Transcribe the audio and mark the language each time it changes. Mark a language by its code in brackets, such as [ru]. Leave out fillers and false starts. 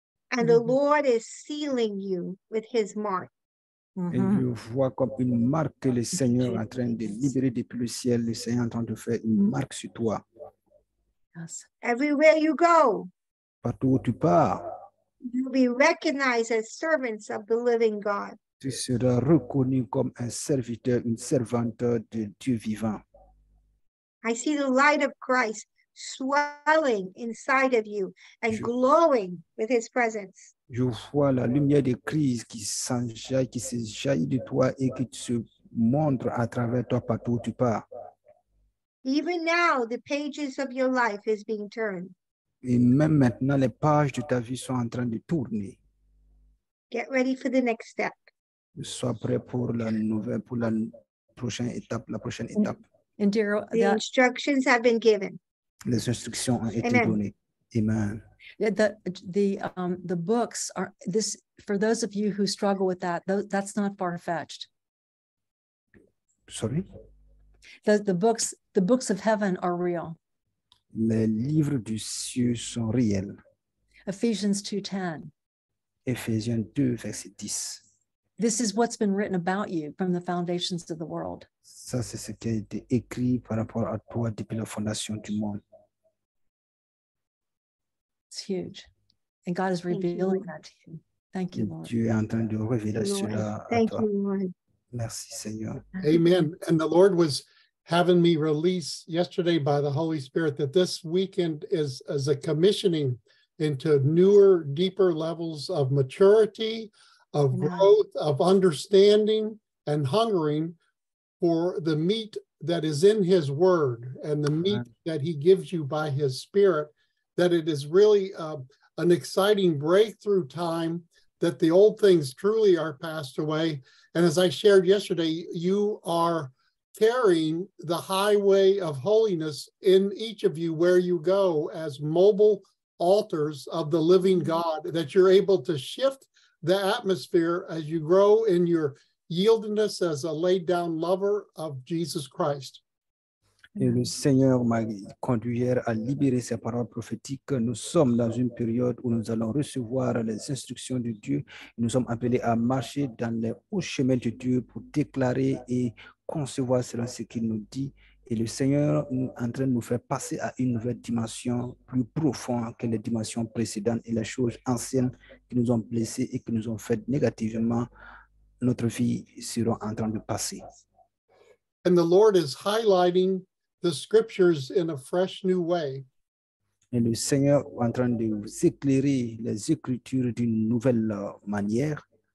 [en] And mm-hmm. the Lord is sealing you with his mark. [fr] Et mm-hmm. je vois comme une marque que le Seigneur est en train de libérer depuis le ciel. Le Seigneur est en train de faire une marque sur toi. [en] Yes. Everywhere you go, [fr] partout où tu pars, [en] you'll be recognized as servants of the living God. [fr] Tu seras reconnu comme un serviteur, une servante de Dieu vivant. [en] I see the light of Christ swelling inside of you and glowing with his presence. [fr] Je vois la lumière de Christ qui s'enjaille, qui se jaillit de toi et qui se montre à travers toi partout où tu pars. [en] Even now, the pages of your life is being turned. [fr] Et même maintenant, les pages de ta vie sont en train de tourner. [en] Get ready for the next step. [fr] Sois prêt pour la nouvelle, pour la prochaine étape, la prochaine étape. [en] And dear, the instructions have been given. [fr] Les instructions ont été données. Amen. [en] Yeah, the books are this for those of you who struggle with that. That's not far fetched. Sorry. The books of heaven are real. [fr] Les livres du ciel sont réels. [en] Ephesians 2:10. [fr] Ephésiens 2 verset 10. [en] This is what's been written about you from the foundations of the world. [fr] Ça c'est ce qui a été écrit par rapport à toi depuis la fondation du monde. [en] It's huge. And God is revealing that to you. Thank you, Lord. [fr] Dieu est en train de révéler cela à toi. [en] Thank you, Lord. [fr] Merci, Seigneur. Amen. [en] And the Lord was having me release yesterday by the Holy Spirit that this weekend is a commissioning into newer, deeper levels of maturity, of growth, of understanding and hungering for the meat that is in his word and the meat that he gives you by his spirit. That it is really an exciting breakthrough time, that the old things truly are passed away. And as I shared yesterday, you are carrying the highway of holiness in each of you where you go as mobile altars of the living God, that you're able to shift the atmosphere as you grow in your yieldedness as a laid down lover of Jesus Christ. [fr] Et le Seigneur m'a conduit à libérer ses paroles prophétiques. Nous sommes dans une période où nous allons recevoir les instructions de Dieu. Nous sommes appelés à marcher dans les hauts chemins de Dieu pour déclarer et concevoir selon ce qu'il nous dit. Et le Seigneur est en train de nous faire passer à une nouvelle dimension plus profonde que les dimensions précédentes et les choses anciennes qui nous ont blessés et qui nous ont fait négativement. Notre vie sera en train de passer. [en] And the Lord is highlighting the scriptures in a fresh new way. [fr] Et le Seigneur est en train de vous éclairer les écritures d'une nouvelle manière.